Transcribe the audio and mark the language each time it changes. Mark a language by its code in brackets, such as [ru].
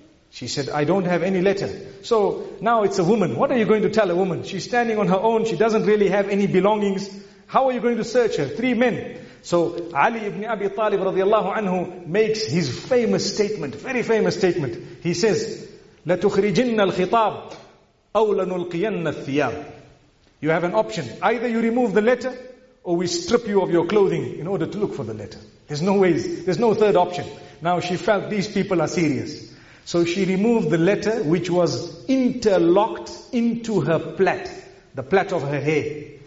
[en] She said, "I don't have any letter." So now it's a woman. What are you going to tell a woman? She's standing on her own. She doesn't really have any belongings. How are you going to search her? Three men. So Ali ibn Abi Talib radiallahu anhu makes his famous statement, very famous statement. He says, [ar] "لَتُخْرِجِنَّ الْخِطَابِ أَوْ لَنُلْقِيَنَّ الثِّيَابِ." [en] You have an option. Either you remove the letter, or we strip you of your clothing in order to look for the letter. There's no third option. Now she felt these people are serious. So she removed the letter, which was interlocked into her plait, the plait of her hair.